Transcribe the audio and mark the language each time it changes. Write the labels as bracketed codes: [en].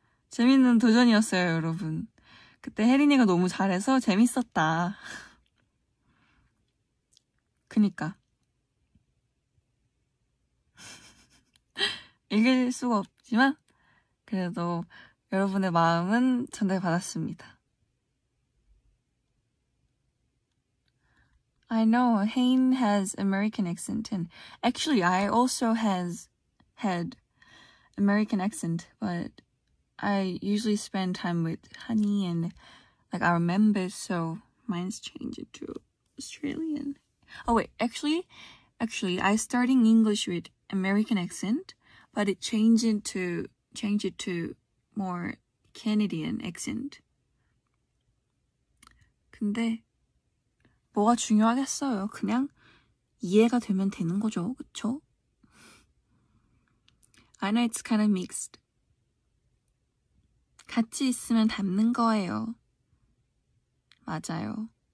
[ko] 재밌는 도전이었어요, 여러분. 그때 혜린이가 너무 잘해서 재밌었다. 그니까. 이길 수가 없지만 그래도 여러분의 마음은 전달받았습니다. [en] I know Hain has American accent, and actually, I also had American accent, but I usually spend time with Honey and like our members, so mine's changed to Australian. Oh wait, actually, I starting English with American accent, but it changed it to more Canadian accent. [ko] 근데 뭐가 중요하겠어요? 그냥 이해가 되면 되는 거죠, 그쵸? [en] I know it's kind of mixed. [ko] 같이 있으면 닮는 거예요. 맞아요.